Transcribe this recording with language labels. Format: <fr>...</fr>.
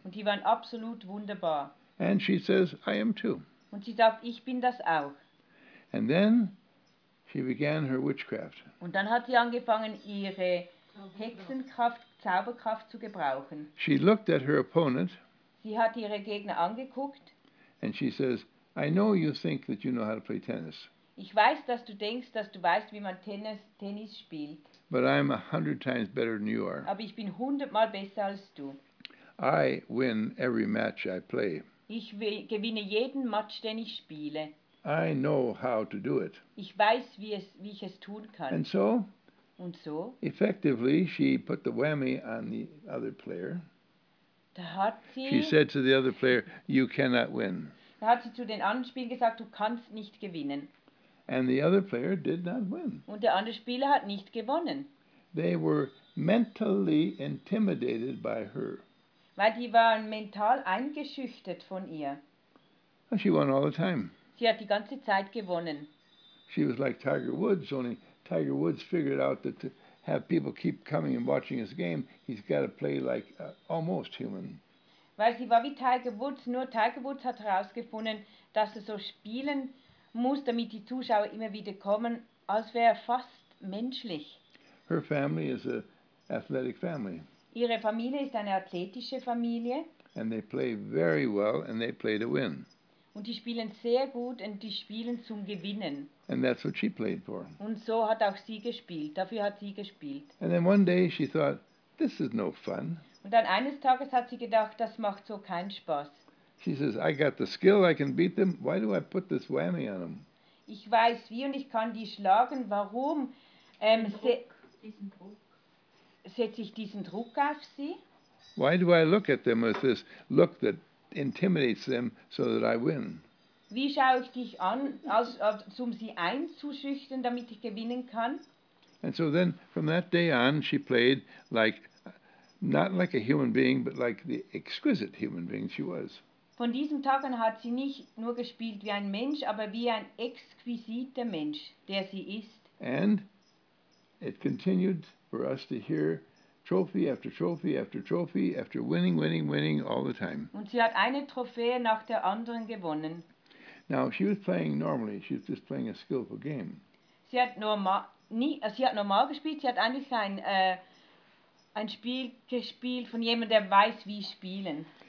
<de>Und die waren absolut wunderbar.</de> <en>And she says, I am too.</en> <de>Und sie sagt, ich bin das auch.</de> <en>And then she began her witchcraft.</en> <de>Und dann hat sie angefangen, ihre Hexenkraft, Zauberkraft zu gebrauchen.</de> <en>She looked at her opponent.</en> <de>Sie hat ihre Gegner angeguckt.</de> <en>And she says, I know you think that you know how to play tennis.</en> <de>Ich weiß, dass du denkst, dass du weißt, wie man Tennis spielt.</de> <en>But I'm 100 times better than you are.</en> <de>Aber ich bin 100 mal besser als du.</de> <en>I win every match I play.</en> <de>Ich gewinne jeden Match, den ich spiele.</de> <en>I know how to do it.</en> <de>Ich weiß, wie ich es tun kann.</de> <en>And so,</en> <de>und so,</de> <en>effectively, she put the whammy on the other player.</en> <de>Da hat sie,</de> <en>she said to the other player, you cannot win.</en> <de>Da hat sie zu den anderen Spielern gesagt, du kannst nicht gewinnen.</de> <en>And the other player did not win.</en> <de>Und der andere Spieler hat nicht gewonnen.</de> <en>They were mentally intimidated by her.</en> <de>Weil die waren mental eingeschüchtert von ihr.</de> <en>She won all the time.</en> <de>Sie hat die ganze Zeit gewonnen.</de> <en>She was like Tiger Woods, only Tiger Woods figured out that have people keep coming and watching his game, he's got to play like almost human.</en> <de>Weil sie war wie Tiger Woods, nur Tiger Woods hat herausgefunden, dass er so spielen muss, damit die Zuschauer immer wieder kommen, als wäre er fast menschlich.</de> <en>Her family is an athletic family.</en> <de>Ihre Familie ist eine athletische Familie.</de> <en>And they play very well and they play to win.</en> <de>Und die spielen sehr gut und die spielen zum Gewinnen.</de> <en>And that's what she played for.</en> <de>Und so hat auch sie gespielt. Dafür hat sie gespielt.</de> <en>And then one day she thought, this is no fun.</en> <de>Und dann eines Tages hat sie gedacht, das macht so keinen Spaß.</de> <en>She says, I got the skill, I can beat them. Why do I put this whammy on them?</en> <de>Ich weiß wie und ich kann die schlagen. Warum setze ich diesen Druck auf sie?</de> <en>Why do I look at them with this look that intimidates them so that I win?</en> <de>Wie schaue ich dich an, um sie einzuschüchtern, damit ich gewinnen kann?</de> <en>And so then, from that day on, she played like, not like a human being, but like the exquisite human being she was.</en> <de>Von diesem Tag an hat sie nicht nur gespielt wie ein Mensch, aber wie ein exquisiter Mensch, der sie ist.</de> <en>And it continued for us to hear trophy after trophy after trophy after winning, winning, winning all the time.</en> <de>Und sie hat eine Trophäe nach der anderen gewonnen.</de> <en>Now she was playing normally. She was just playing a skillful game.</en> <de>Sie hat normal gespielt. Sie hat eigentlich ein Spiel gespielt von jemandem, der weiß, wie spielen.</de>